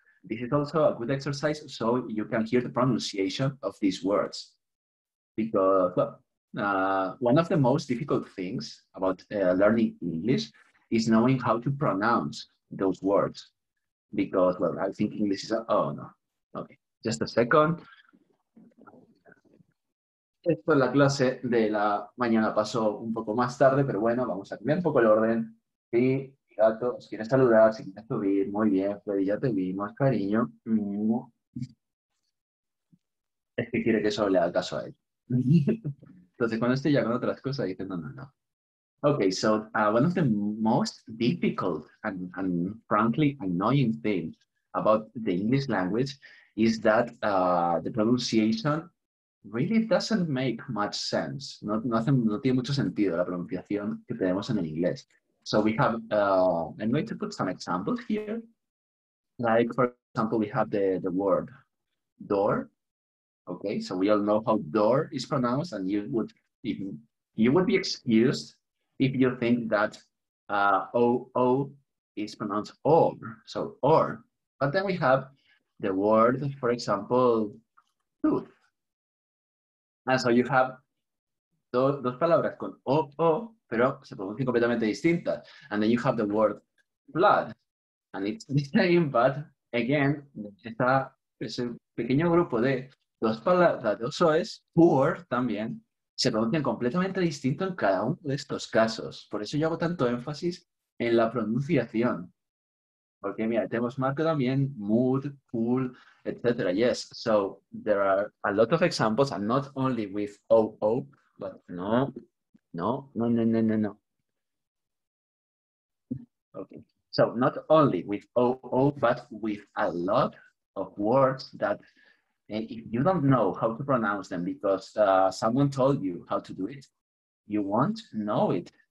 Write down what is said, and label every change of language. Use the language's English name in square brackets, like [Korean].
[English] This is also a good exercise so you can hear the pronunciation of these words. Because, well, one of the most difficult things about learning English is knowing how to pronounce those words. Because, well, I think English is a, oh no. Okay, just a second. [Spanish] Esto es la clase de la mañana, pasó un poco más tarde, pero bueno, vamos a cambiar un poco el orden. Sí, gato, si quieres saludar, si quieres subir, muy bien, Freddy, ya te vi, más cariño. Es que quiere que eso le haga caso a él. Entonces, cuando esté ya con otras cosas, dice, no, no, no. [English] Okay, so one of the most difficult and frankly annoying things about the English language is that the pronunciation really doesn't make much sense. [Spanish] No tiene mucho sentido la pronunciación que tenemos en el inglés. [English] So we have, I'm going to put some examples here. Like, for example, we have the word door. Okay, so we all know how door is pronounced, and you would be excused if you think that O-O is pronounced or, so or. But then we have the word, for example, tooth. And so you have [Spanish] dos palabras con O-O, pero se pronuncian completamente distintas. [English] And then you have the word blood. And it's the same, but again, [Spanish] está ese pequeño grupo de dos palabras, dos OEs, poor también, se pronuncian completamente distinto en cada uno de estos casos. Por eso yo hago tanto énfasis en la pronunciación. Porque mira, tenemos marca también, mood, cool, etc. [English] Yes, so there are a lot of examples, and not only with OO, but no, no, no, no, no, no, okay, so not only with OO, but with a lot of words that you don't know how to pronounce them because someone told you how to do it, you won't know it.